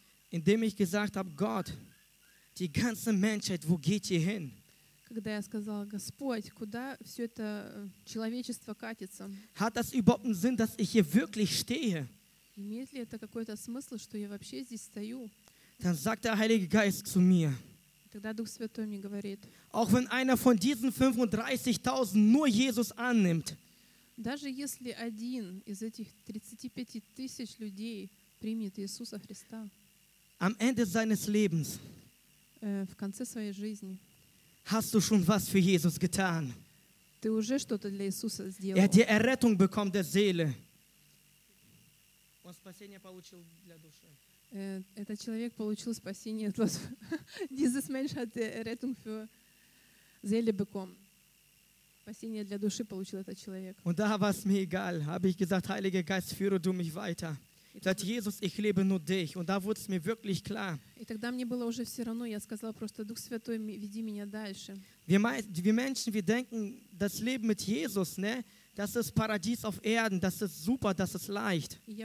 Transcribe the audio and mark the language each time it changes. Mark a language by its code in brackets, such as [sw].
[de] Indem ich gesagt habe, Gott, die ganze Menschheit, wo geht ihr hin? [ru] Когда я сказал, Господь, куда все это человечество катится? [de] Hat das überhaupt einen Sinn, dass ich hier wirklich stehe? [ru] Имеет ли это какой-то смысл, что я вообще здесь стою? [de] Dann sagt der Heilige Geist zu mir. [ru] Тогда Дух Святой мне говорит. [de] Auch wenn einer von diesen 35.000 nur Jesus annimmt. [ru] Даже если один из этих 35.000 людей примет Иисуса Христа. [de] Am Ende seines Lebens. [ru] В конце своей жизни. [de] Hast du schon was für Jesus getan? [ru] Ты уже что-то для Иисуса сделал. [de] Er hat die Errettung bekommen der Seele. [ru] Он спасение получил для души. Этот человек получил спасение от вас. [de] Dieses Mensch hat die Errettung für Seele bekommen. [ru] Спасение для души получил этот человек. [de] Und da war es mir egal, habe ich gesagt, Heiliger Geist, führe du mich weiter. Sagt Jesus, ich lebe nur dich. Und da wurde es mir wirklich klar. Wir Menschen, wir denken, das Leben mit Jesus, ne, das ist Paradies auf Erden, das ist super, das ist leicht.